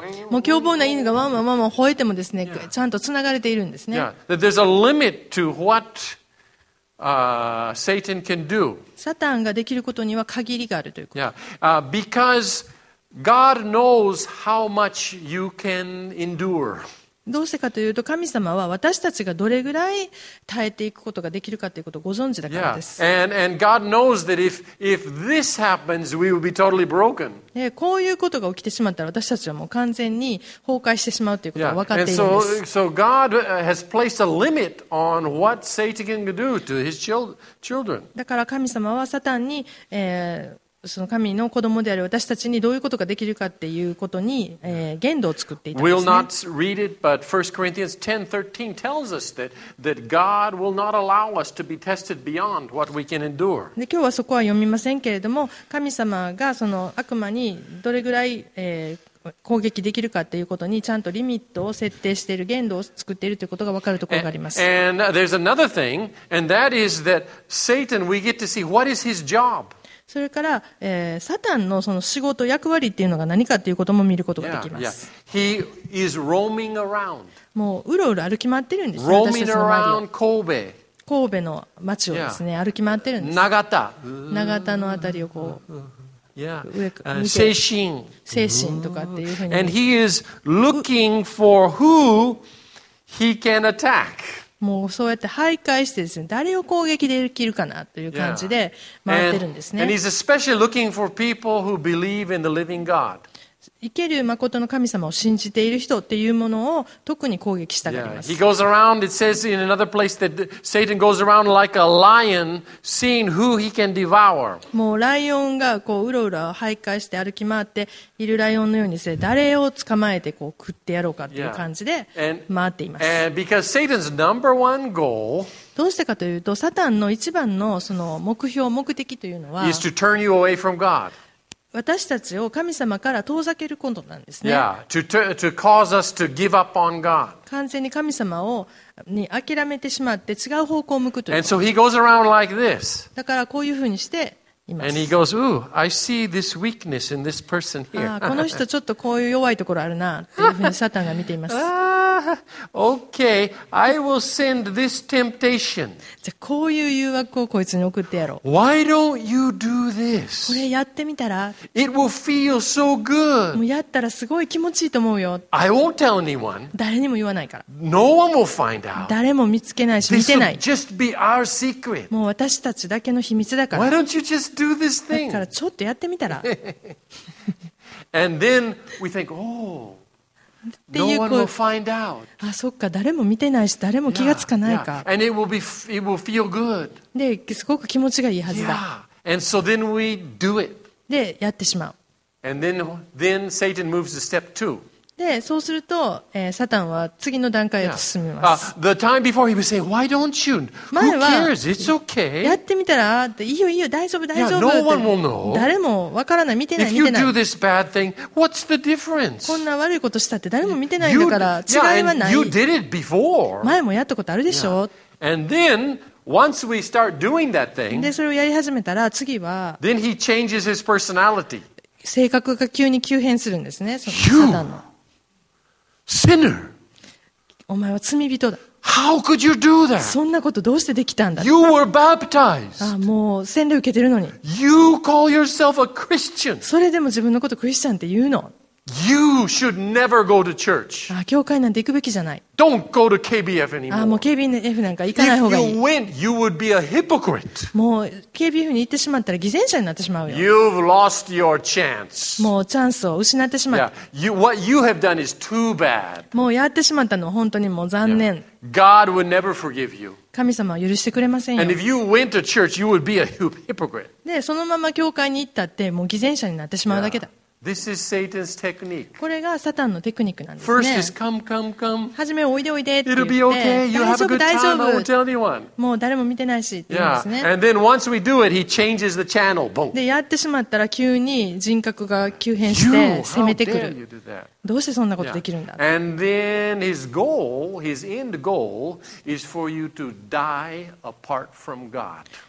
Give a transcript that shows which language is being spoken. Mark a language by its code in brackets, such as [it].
[ja] もう凶暴な犬がワンワンワンワン吠えてもですね、ちゃんとつながれているんですね。 [en] There's a limit to what Satan can do. [ja] サタンができることには限りがあるということ。 [en] Because God knows how much you can endure. [ja] どうしてかというと、神様は私たちがどれぐらい耐えていくことができるかということをご存知だからです。 [en] Yeah. And God knows that if this happens, we will be totally broken. [ja] こういうことが起きてしまったら、私たちはもう完全に崩壊してしまうということが分かっているんです。 [en] Yeah. So God has placed a limit on what Satan can do to his children. [ja] だから神様はサタンに、その神の子供である私たちにどういうことができるかっていうことに、限度を作っていたんですね。 [en] We'll not read it, but 1 Corinthians 10:13 tells us that God will not allow us to be tested beyond what we can endure. [ja] で、今日はそこは読みませんけれども、神様がその悪魔にどれぐらい、攻撃できるかということにちゃんとリミットを設定している、限度を作っているということが分かるところがあります。 [en] And there's another thing, and that is that Satan, we get to see what is his job. [ja] それから、サタン の, その仕事役割っていうのが何かっていうことも見ることができます。 [en] Yeah, yeah. He is roaming around. [ja] もううろうろ歩き回ってるんです。 [en] Roaming around Kobe. [ja] 神戸の町をですね、歩き回ってるんです。長田のあたりをこう、精神とかっていうふうに。 [en] And he is looking for who he can attack. [ja] もうそうやって徘徊してですね、誰を攻撃できるかなという感じで回ってるんですね。 [en] And he's especially looking for people who believe in the living God. [ja] 生ける誠の神様を信じている人っていうものを特に攻撃したがります。 [en] He goes around, it says in another place that Satan goes around like a lion, seeing who he can devour. [ja] もうライオンがこううろうろ徘徊して歩き回っているライオンのようにして誰を捕まえてこう食ってやろうかという感じで回っています。 [en] Because Satan's number one goal, [ja] どうしてかというと、サタンの一番 の, その目標、目的というのは、 [en] is to turn you away from God. [ja] 私たちを神様から遠ざけることなんですね。 [en] To cause us to give up on God. [ja] 完全に神様をに諦めてしまって違う方向を向くという。 [en] And so he goes around like this. [ja] だからこういうふうにしています。 [en] And he goes, ooh, I see this weakness in this person here. [ja] この人ちょっとこういう弱いところあるなっていうふうにサタンが見ています。 [en] okay, I will send this temptation. [ja] じゃあこういう誘惑をこいつに送ってやろう。 [en] Why don't you do this? [ja] これやってみたら。 [en] It will feel so good. [ja] もうやったらすごい気持ちいいと思うよ。 [en] I won't tell anyone. [ja] 誰にも言わないから。 [en] No one will find out. [ja] 誰も見つけないし見てない。 [en] This will just be our secret. [ja] もう私たちだけの秘密だから。 [en] Why don't you just do this thing? [ja] だからちょっとやってみたら。 [en] And then we think, oh. [ja] っていう [en] こう、no、find out. [ja] あ、そっか、誰も見てないし、誰も気がつかないか。 [en] Yeah, yeah. And it will feel good. [ja] で、すごく気持ちがいいはずだ。 [en] Yeah. And so then we do it. [ja] で、やってしまう。 [en] And then Satan moves to step two. [ja] で、そうすると、サタンは次の段階へと進みます。 [en] Yeah. The time before he would say, Why don't you? Who cares? It's okay. [ja] やってみたら、いいよいいよ、大丈夫大丈夫。 [en] Yeah, no one will know. [ja] 誰もわからない、見てない。 [en] If you do this bad thing, what's the difference? [ja] こんな悪いことしたって誰も見てないんだから、違いはない。 [en] Yeah, and you did it before. [ja] 前もやったことあるでしょ。 [en] Yeah. And then,Once we start doing that thing, [ja] でそれをやり始めたら次は [en] then he changes his personality. [ja] 性格が急に急変するんですね。そのサタンの [en] Sinner. [ja] お前は罪人だ。 [en] How could you do that? [ja] そんなことどうしてできたんだ。 [en] You were baptized. [ja] あ、もう洗礼受けてるのに。 [en] You call yourself a Christian. [ja] それでも自分のことクリスチャンって言うの。 [en] You should never go to church. [ja] 教会なんて行くべきじゃない。 [en] Don't go to KBF anymore. [ja] もう KBF なんか行かない方がいい。 [en] If you went, you would be a hypocrite. [ja] もう KBF に行ってしまったら偽善者になってしまうよ。 [en] You've lost your chance. [ja] もうチャンスを失ってしまった。 [en] Yeah. What you have done is too bad. [ja] もうやってしまったのは本当にもう残念。 [en] Yeah. God would never forgive you. [ja] 神様は許してくれませんよ。 [en] And if you went to church, you would be a hypocrite. [ja] で、そのまま教会に行ったってもう偽善者になってしまうだけだ。 [en] Yeah. This is Satan's technique. [ja] これがサタンのテクニックなんですね。 [en] First is come. [ja] はじめおいでおいでって言って、 [en] It'll be okay. [ja] 大丈夫大丈夫。もう誰も見てないしって言うんですね。Yeah. [en] And then once we do it, he changes the channel. Boom. [ja] でやってしまったら急に人格が急変して攻めてくる。 [en] You, how dare you do that? [ja] どうしてそんなことできるんだ。 [en] Yeah. And then his end goal is for you to die apart from God.